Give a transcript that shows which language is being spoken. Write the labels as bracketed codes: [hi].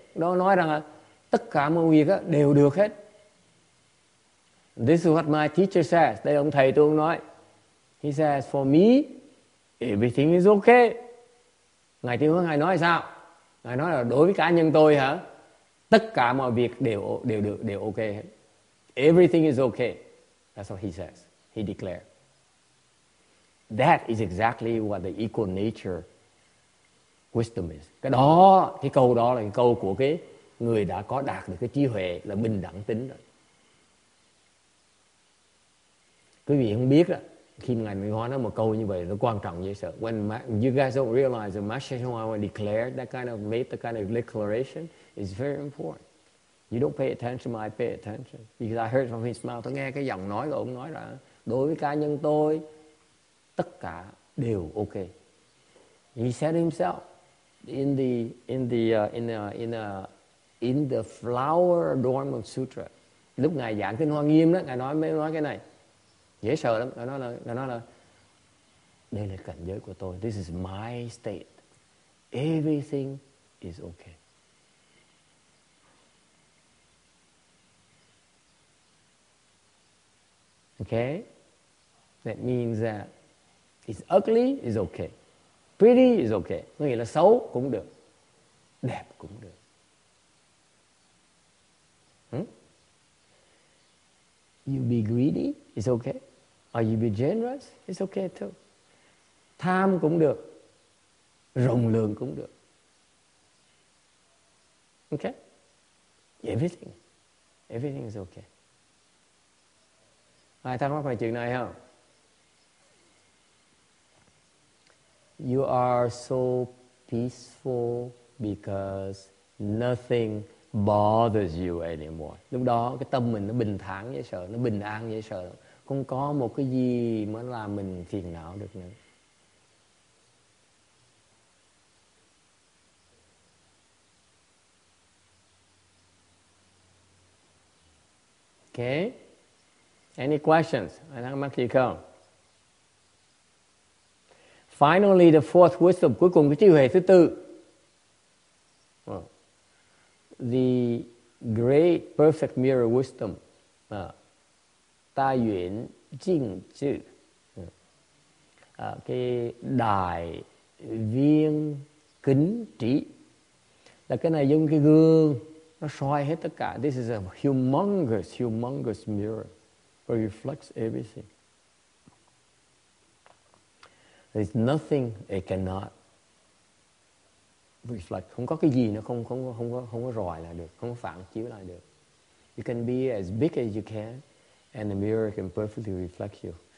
[vi] Nó nói rằng là tất cả mọi việc đều được hết. [en] This is what my teacher says. [vi] Đây ông thầy tôi nói. [en] He says, for me, everything is okay. [vi] Ngài tiêu hướng, ngài nói sao? Ngài nói là đối với cá nhân tôi hả? Tất cả mọi việc đều ok hết. [en] Everything is okay. That's what he says. He declared. That is exactly what the equal nature wisdom is. [vi] Cái đó, cái câu đó là cái câu của cái người đã có đạt được cái trí huệ là bình đẳng tính rồi. Quý vị không biết đó, khi ngài mình nói một câu như vậy nó quan trọng dễ sợ. [en] When you guys don't realize the Master Shenhua declared that kind of made the kind of declaration is very important. You don't pay attention, I pay attention. Because I heard from his mouth, [vi] tôi nghe cái giọng nói của ông nói là đối với cá nhân tôi tất cả đều ok. [en] He said himself in the flower adornment sutra. [vi] Lúc ngài giảng kinh Hoa Nghiêm đó, ngài nói mới nói cái này. Dễ sợ lắm, ngài nói là đây là cảnh giới của tôi. [en] This is my state. Everything is okay. Okay? That means that it's ugly is okay. Pretty is okay. [vi] Nghĩa là xấu cũng được. [en] Đẹp cũng được. it's okay. Or you be generous, it's okay too. [vi] Tham cũng được, rộng lượng cũng được. [en] Okay? Everything. Everything is okay. [vi] Ai thắc mắc về chuyện này không? [en] You are so peaceful because nothing bothers you anymore. [vi] Lúc đó cái tâm mình nó bình thản dễ sợ, nó bình an dễ sợ. Không có một cái gì mà làm mình phiền não được nữa. [en] Okay. Any questions? [vi] Anh thắc mắc gì không? [en] Finally, the fourth wisdom, [vi] cuối cùng cái trí huệ thứ tư. [en] The great perfect mirror wisdom. Ta yuen jing zhi. [vi] Cái đài viên kính trí. Là cái này dùng cái gương, nó soi hết tất cả. [en] This is a humongous, humongous mirror. Where it reflects everything. There's nothing it cannot reflect. [vi] Không có cái gì nó không có rọi lại được, không có phản chiếu lại được. [en] You can be as big as you can, and the mirror can perfectly reflect you.